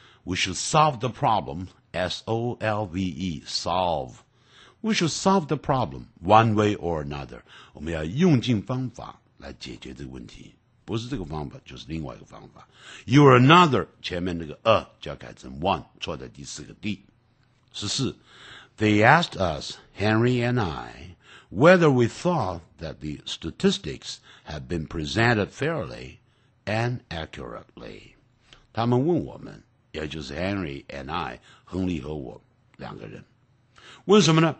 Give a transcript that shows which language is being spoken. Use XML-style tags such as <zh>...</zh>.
<en>We should solve the problem, S-O-L-V-E, solve. We should solve the problem, one way or another.</en> <zh>我们要用尽方法来解决这个问题。不是这个方法就是另外一个方法。</zh> <en>You are another,</en> <zh>前面那个 a 就要改成 one, 错在第四个 D。</zh> <en>14, They asked us, Henry and I, whether we thought that the statistics had been presented fairly and accurately.</en> <zh>他们问我们，也就是</zh> <en>Henry and I,</en> <zh>亨利和我两个人。问什么呢？</zh>